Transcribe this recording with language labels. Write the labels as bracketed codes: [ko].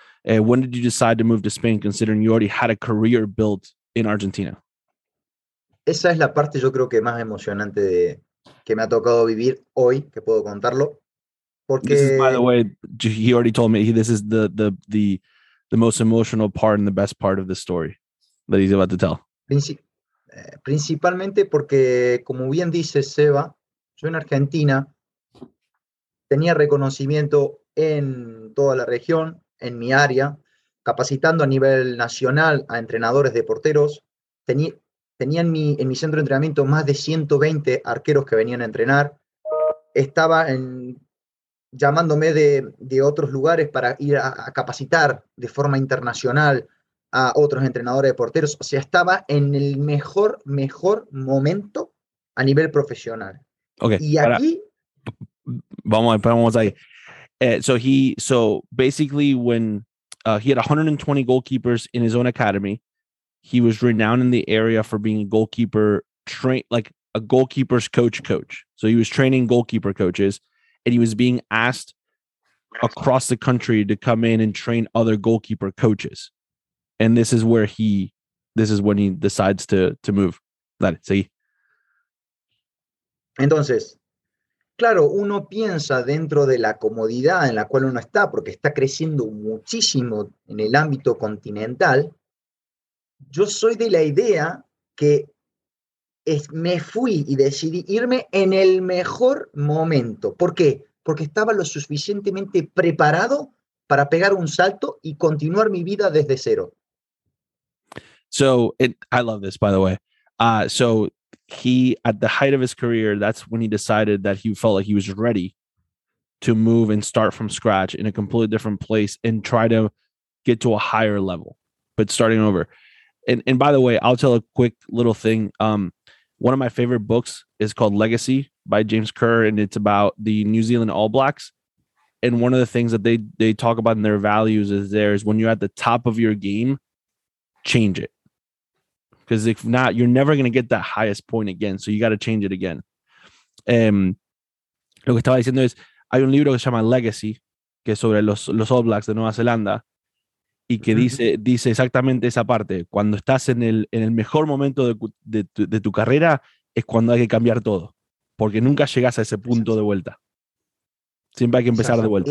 [en] When did you decide to move to Spain, considering you already had a career built in Argentina? [es] Esa es la parte, yo creo, que más emocionante de que me ha tocado vivir hoy, que puedo contarlo. Porque... [en] This is, by the way, he already told me this is the most emotional part and the best part of the story that he's about to tell. [es] Principalmente porque, como bien dice Seba, yo en Argentina tenía reconocimiento en toda la región, en mi área, capacitando a nivel nacional a entrenadores de porteros. Tenía en mi centro de entrenamiento más de 120 arqueros que venían a entrenar. Estaba llamándome de otros lugares para ir a capacitar de forma internacional a otros entrenadores de porteros. O sea, estaba en el mejor momento a nivel profesional. [en] Okay, [es] y aquí... Vamos ahí. [en] So basically, when he had 120 goalkeepers in his own academy, he was renowned in the area for being a goalkeeper, like a goalkeeper's coach. So he was training goalkeeper coaches, and he was being asked across the country to come in and train other goalkeeper coaches. And this is where he decides to move. [es] Dale, sí. Entonces, claro, uno piensa dentro de la comodidad en la cual uno está, porque está creciendo muchísimo en el ámbito continental. Yo soy de la idea que me fui y decidí irme en el mejor momento. ¿Por qué? Porque estaba lo suficientemente preparado para pegar un salto y continuar mi vida desde cero. [en] So, I love this, by the way. He, at the height of his career, that's when he decided that he felt like he was ready to move and start from scratch in a completely different place and try to get to a higher level, but starting over. And by the way, I'll tell a quick little thing. One of my favorite books is called Legacy by James Kerr, and it's about the New Zealand All Blacks. And one of the things that they talk about in their values is there is when you're at the top of your game, change it. Because if not, you're never going to get that highest point again. So you got to change it again. [es] Lo que estaba diciendo es, hay un libro que se llama Legacy, que es sobre los All Blacks de Nueva Zelanda, y que dice exactamente esa parte. Cuando estás en el mejor momento de tu carrera, es cuando hay que cambiar todo. Porque nunca llegas a ese punto de vuelta. Siempre hay que empezar de vuelta.